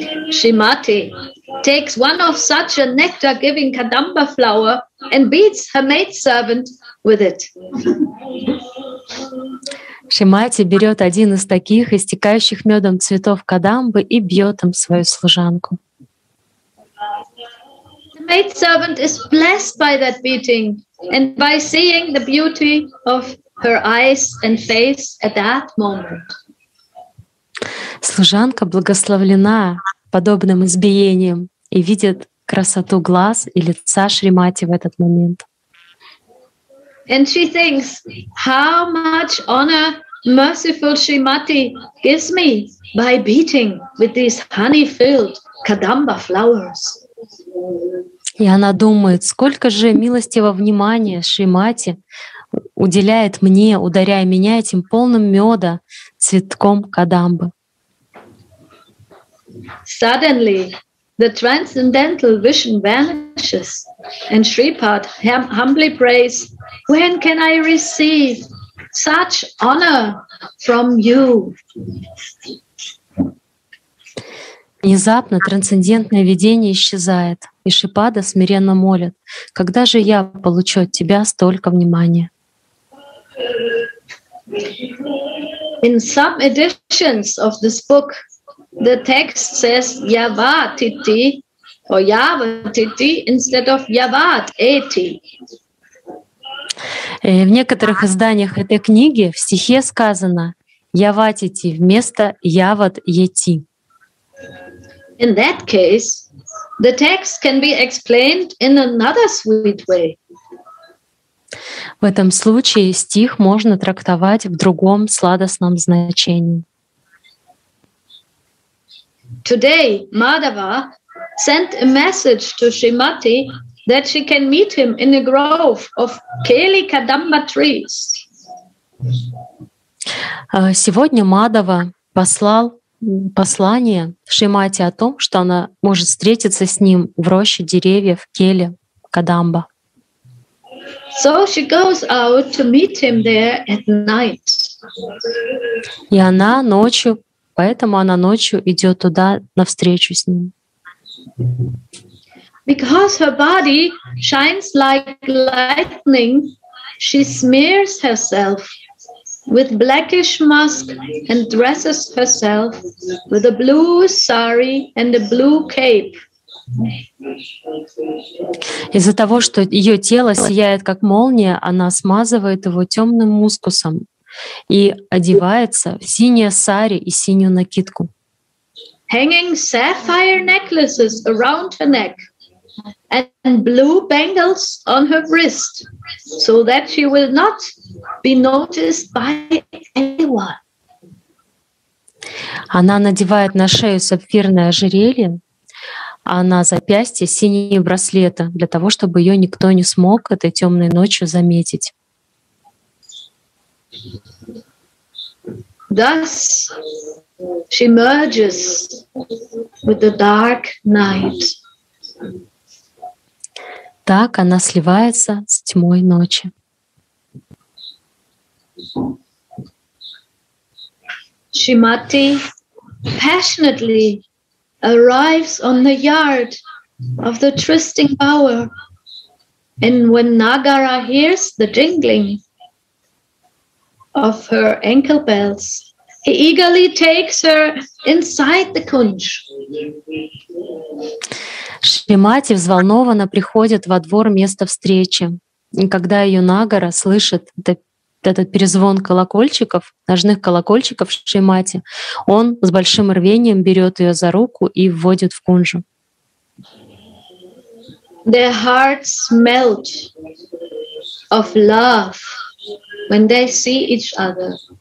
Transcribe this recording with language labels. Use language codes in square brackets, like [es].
[en] Shrimati takes one of such a nectar-giving kadamba flower and beats her maidservant with it. [ru] Шримати берет один из таких истекающих медом цветов кадамбы и бьет им свою служанку. [en] The maidservant is blessed by that beating and by seeing the beauty of her eyes and face at that moment. [ru] Служанка благословлена подобным избиением и видит красоту глаз и лица Шримати в этот момент. [en] And she thinks, how much honor merciful Shrimati gives me by beating with these honey-filled kadamba flowers. [ru] И она думает, сколько же милостивого внимания Шримати уделяет мне, ударяя меня этим полным меда цветком кадамбы. [en] Suddenly, the transcendental vision vanishes, and Shripad humbly prays, when can I receive such honor from you? [ru] Внезапно трансцендентное видение исчезает, и Шипада смиренно молит: «Когда же я получу от тебя столько внимания?» [en] In some editions of this book, the text says Yavatiti or Yavatiti instead of Yavatiti. [ru] В некоторых изданиях этой книги в стихе сказано Yavatiti вместо Yavatiti. [en] In that case, the text can be explained in another sweet way. [ru] В этом случае стих можно трактовать в другом сладостном значении. [en] Today Madhava sent a message to Shrimati that she can meet him in a grove of Keli Kadamba trees. [ru] Сегодня Мадхава послал послание Шримати о том, что она может встретиться с ним в роще деревьев Кели Кадамба. [en] So she goes out to meet him there at night. [ru] И она ночью, поэтому она ночью идет туда на встречу с ним. [en] Because her body shines like lightning, she smears herself with blackish musk and dresses herself with a blue sari and a blue cape. [ru] Из-за того, что ее тело сияет как молния, она смазывает его темным мускусом и одевается в синее сари и синюю накидку. [en] Hanging sapphire necklaces around her neck and blue bangles on her wrist, so that she will not be noticed by anyone. [ru] Она надевает на шею сапфирное ожерелье, а на запястье синие браслеты, для того, чтобы ее никто не смог этой темной ночью заметить. [en] Thus she merges with the dark night. [ru] Так она сливается с тьмой ночи. [en] Shrimati passionately arrives on the yard of the trysting bower, and when Nagara hears the jingling of her ankle bells, he eagerly takes her inside the kunj. [ru] Шримати взволнованно приходит во двор места встречи, и когда ее Нагара слышит этот перезвон колокольчиков, ножных колокольчиков Шримати, он с большим рвением берет ее за руку и вводит в кунжу. [en] Their hearts melt of love when they see each other.